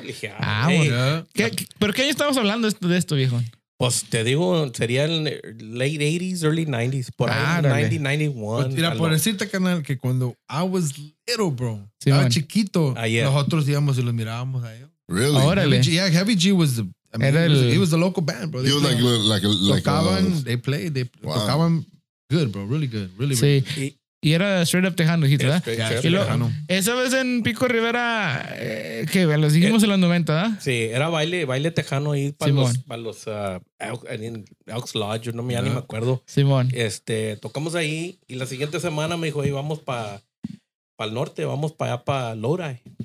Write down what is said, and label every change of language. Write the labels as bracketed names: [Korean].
[Spanish] Le dije, ¿Pero qué año estamos hablando de esto, viejo? Pues te digo, sería el [English] late 80s, early 90s, [Spanish] por ahí, 90, 91. Mira, por decirte, canal, que cuando [English] I was little, bro, [Spanish] sí, estaba chiquito, nosotros íbamos y los mirábamos a ellos. [English] Really? [Spanish] Órale. [English] Heavy G was the, he was the local band, bro. He was like [Spanish] tocaban, [English] they played, they tocaban good, bro, really good, really, really good. [Spanish] Sí. Y era [English] straight up [Spanish] tejano, dijiste, ¿verdad? Yeah, lo, esa vez en Pico Rivera, que los dijimos en los 90, ¿verdad? Sí, era baile tejano ahí para los Elks Lodge, no me ni me acuerdo. Simón. Tocamos ahí y la siguiente semana me dijo, ahí vamos para el norte, vamos para allá, para Lodi.